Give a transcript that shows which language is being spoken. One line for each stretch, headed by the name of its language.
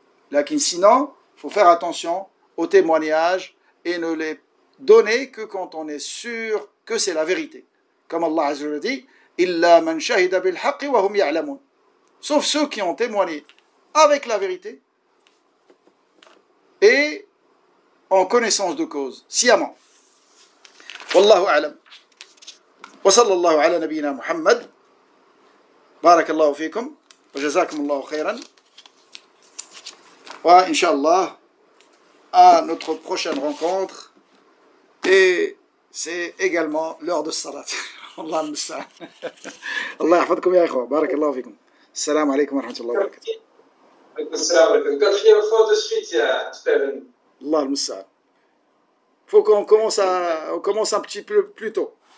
French: Lakin sinon, il faut faire attention aux témoignages et ne les donner que quand on est sûr que c'est la vérité. Comme Allah Azza wa Jalla dit, «
Arabic: Illa man shahida bil haqqi wa hum ya'lamun
French: » Sauf ceux qui ont témoigné avec la vérité et en connaissance de cause, sciemment.
Arabic: والله أعلم وصلى الله على نبينا محمد بارك الله فيكم وجزاكم الله خيرا وإن شاء الله
French: à notre prochaine rencontre et c'est également l'heure de salat.
Arabic: الله المستعان. الله يحفظكم يا إخوة بارك الله فيكم. السلام عليكم ورحمة الله وبركاته. السلام عليكم.
French: quatrième fois de suite يا Steven.
Arabic: الله المستعان.
French: Faut qu'on commence un petit peu plus tôt.